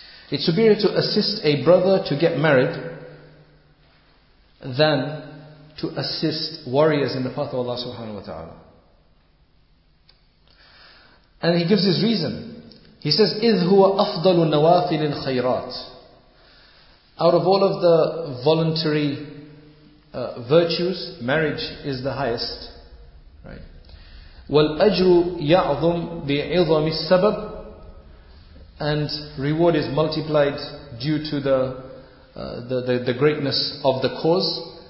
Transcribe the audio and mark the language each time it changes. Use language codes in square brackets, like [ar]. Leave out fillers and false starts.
[en] It's superior to assist a brother to get married than to assist warriors in the path of Allah subhanahu wa ta'ala. And he gives his reason. He says, [ar] إِذْ هُوَ أَفْضَلُ نَوَافِلِ الْخَيْرَاتِ. [en] Out of all of the voluntary virtues, marriage is the highest. Right? [ar] وَالْأَجْرُ يَعْظُمْ بِعِظَمِ السَّبَبِ. [en] And reward is multiplied due to the greatness of the cause.